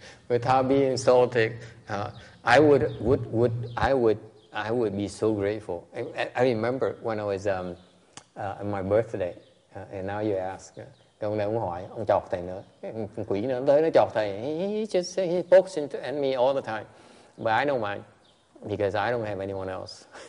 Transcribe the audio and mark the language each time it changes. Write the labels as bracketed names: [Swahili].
[English] Without being insulted, I would be so grateful. I remember when I was on my birthday, and now you ask. [Vietnamese] Ông này ông hỏi, ông chọc thầy nữa. Ông quỷ nữa, tới nó chọc thầy. [English] He pokes into me all the time. But I don't mind, because I don't have anyone else.